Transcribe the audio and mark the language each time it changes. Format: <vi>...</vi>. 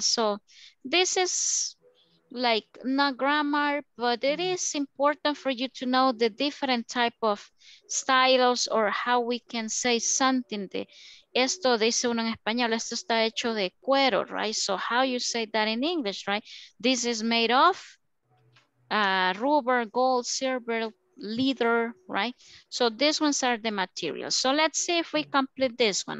<en>So this is like not grammar, but it is important for you to know the different type of styles or how we can say something.</en> <es>Esto dice uno en español, esto está hecho de cuero, right?</es> <en>So how you say that in English, right? This is made of rubber, gold, silver, leather, right? So these ones are the materials. So let's see if we complete this one.</en>